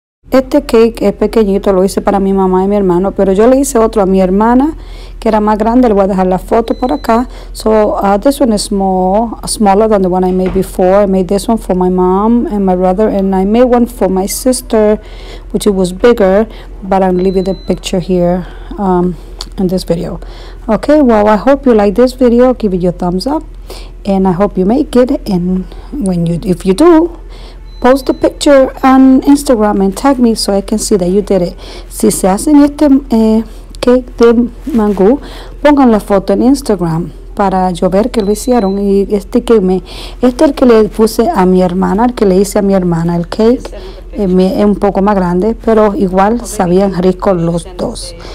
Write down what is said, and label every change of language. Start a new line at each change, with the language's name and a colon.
Spanish: Este cake es pequeñito, lo hice para mi mamá y mi hermano, pero yo le hice otro a mi hermana, que era más grande. Le voy a dejar la foto por acá.
English: So, this one is smaller than the one I made before. I made this one for my mom and my brother, and I made one for my sister, which it was bigger, but I'm leaving the picture here in this video. Okay, well, I hope you like this video. Give it your thumbs up, and I hope you make it. And if you do, post the picture on Instagram and tag me so I can see that you did it.
Spanish: Si se hacen este cake de mango, pongan la foto en Instagram para yo ver que lo hicieron. Y este el que le puse a mi hermana, el que le hice a mi hermana, el cake es un poco más grande, pero igual sabían rico los dos.